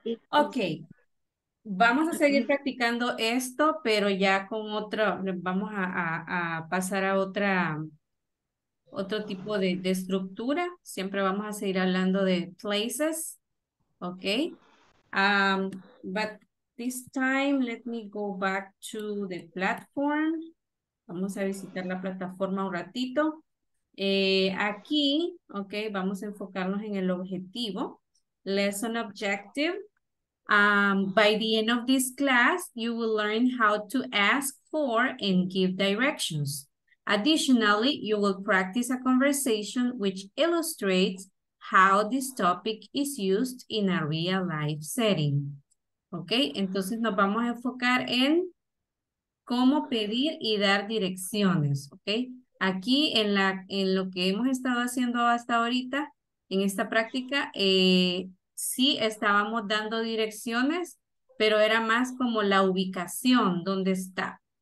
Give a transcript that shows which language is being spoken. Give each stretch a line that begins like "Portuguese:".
Spanish: Okay. Vamos a seguir practicando esto, pero ya con otro, vamos a pasar a otro tipo de estructura. Siempre vamos a seguir hablando de places. Okay.
English: But this time, let me go back to the platform.
Spanish: Vamos a visitar la plataforma un ratito. Aquí, ok, vamos a enfocarnos en el objetivo.
English: Lesson objective. By the end of this class, you will learn how to ask for and give directions. Additionally, you will practice a conversation which illustrates how this topic is used in a real life setting.
Spanish: Ok, entonces nos vamos a enfocar en cómo pedir y dar direcciones. Ok, aquí en lo que hemos estado haciendo hasta ahorita, en esta práctica, sí estábamos dando direcciones, pero era más como la ubicación, dónde está.